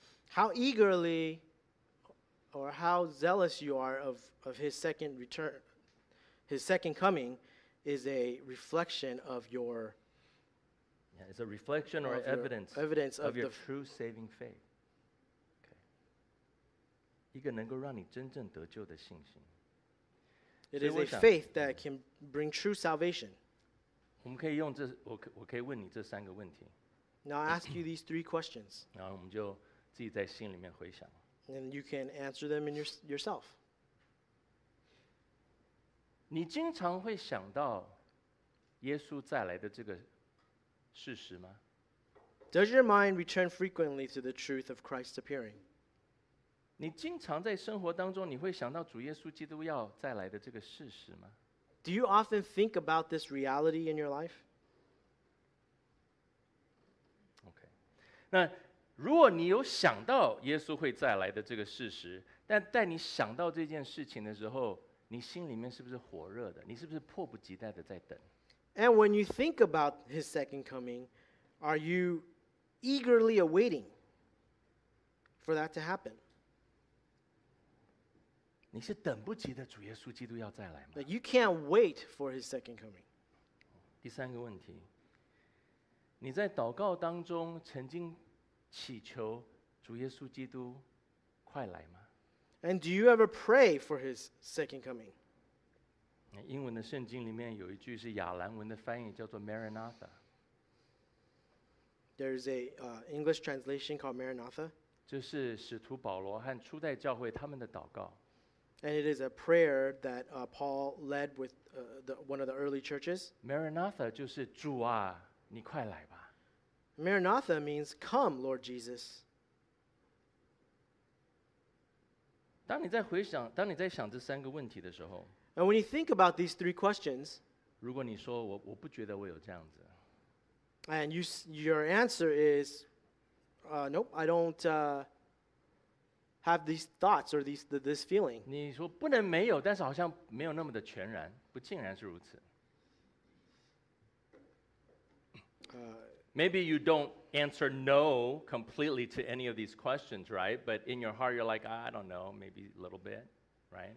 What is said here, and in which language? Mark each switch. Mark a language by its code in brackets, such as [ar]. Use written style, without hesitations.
[en] How eagerly or how zealous you are of his second return, his second coming, is a reflection of your. Yeah, it's a reflection or evidence of your true saving faith. [zh] 一个能够让你真正得救的信心。 [en] It is a faith that can bring true salvation. [zh] 我们可以用这，我可以问你这三个问题。 [en] Now I ask you these three questions. [zh] 然后我们就自己在心里面回想。 [en] And you can answer them in yourself. [zh] 你经常会想到耶稣再来的这个事实吗？ [en] Does your mind return frequently to the truth of Christ's appearing? [zh] 你经常在生活当中你会想到主耶稣基督要再来的这个事实吗？ [en] Do you often think about this reality in your life? Okay. [zh] 那如果你有想到耶稣会再来的这个事实，但在你想到这件事情的时候，你心里面是不是火热的？你是不是迫不及待的在等？ [en] And when you think about his second coming, are you eagerly awaiting for that to happen? [zh] 你是等不及的主耶稣基督要再来吗？ [en] But you can't wait for his second coming. [zh] 第三个问题，你在祷告当中曾经祈求主耶稣基督快来吗？ [en] And do you ever pray for his second coming? [zh] 英文的圣经里面有一句是亚兰文的翻译，叫做 Maranatha。 [en] There's a English translation called Maranatha. [zh] 这是使徒保罗和初代教会他们的祷告。 [en] And it is a prayer that Paul led with one of the early churches. [zh] Maranatha 就是主啊，你快来吧。 [en] Maranatha means, come, Lord Jesus. [zh] 当你在想这三个问题的时候， [en] And when you think about these three questions, [zh] 如果你说 我不觉得我有这样子， [en] And your answer is, nope, I don't have these thoughts or this feeling. [zh] 你说不能没有，但是好像没有那么的全然，不竟然是如此。 [en] Maybe you don't answer no completely to any of these questions, right? But in your heart, you're like, I don't know, maybe a little bit, right?